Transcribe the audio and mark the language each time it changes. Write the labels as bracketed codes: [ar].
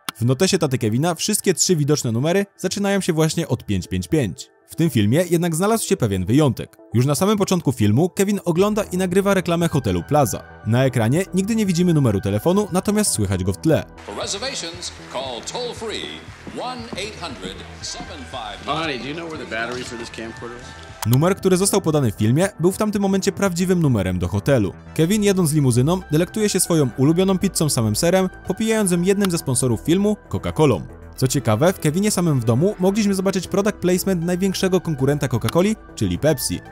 [pl] W notesie taty Kevina wszystkie trzy widoczne numery zaczynają się właśnie od 555. W tym filmie jednak znalazł się pewien wyjątek. Już na samym początku filmu Kevin ogląda i nagrywa reklamę hotelu Plaza. Na ekranie nigdy nie widzimy numeru telefonu, natomiast słychać go w tle. [en] For reservations, call toll free 1-800-75... Honey, do you know where the battery for this camcorder is? [pl] Numer, który został podany w filmie, był w tamtym momencie prawdziwym numerem do hotelu. Kevin, jadąc limuzyną, delektuje się swoją ulubioną pizzą z samym serem, popijając ją jednym ze sponsorów filmu, Coca-Colą. Co ciekawe, w Kevinie samym w domu mogliśmy zobaczyć product placement największego konkurenta Coca-Coli, czyli Pepsi.